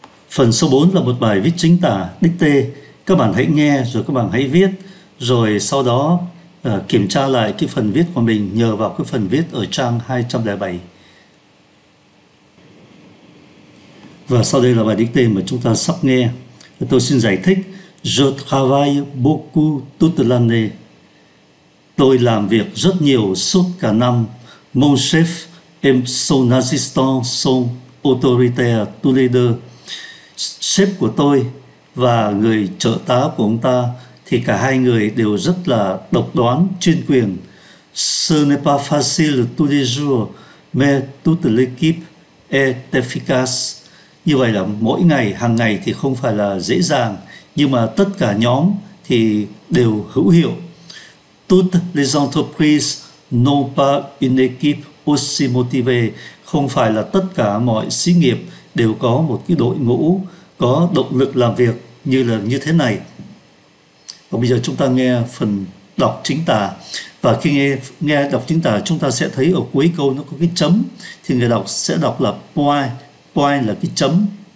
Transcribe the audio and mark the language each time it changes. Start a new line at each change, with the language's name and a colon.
Vietnamese: Phần số 4 là một bài viết chính tả, đích tê. Các bạn hãy nghe rồi các bạn hãy viết, rồi sau đó kiểm tra lại cái phần viết của mình nhờ vào cái phần viết ở trang 207. Và sau đây là bài dicté mà chúng ta sắp nghe. Tôi xin giải thích.
French: Je travaille beaucoup toute l'année.
Vietnamese: Tôi làm việc rất nhiều suốt cả năm.
French: Mon chef est son assistant, son autoritaire, tous les deux.
Vietnamese: Sếp của tôi và người trợ tá của ông ta thì cả hai người đều rất là độc đoán, chuyên quyền.
French: Ce n'est pas facile tous les jours, mais toute l'équipe est efficace.
Vietnamese: Như vậy là mỗi ngày, hàng ngày thì không phải là dễ dàng, nhưng mà tất cả nhóm thì đều hữu hiệu.
French: Toutes les entreprises n'ont pas une équipe aussi motivée.
Vietnamese: Không phải là tất cả mọi xí nghiệp đều có một cái đội ngũ có động lực làm việc như là như thế này. Và bây giờ chúng ta nghe phần đọc chính tả. Và khi nghe đọc chính tả, chúng ta sẽ thấy ở cuối câu nó có cái chấm, thì người đọc sẽ đọc là point, point là cái chấm.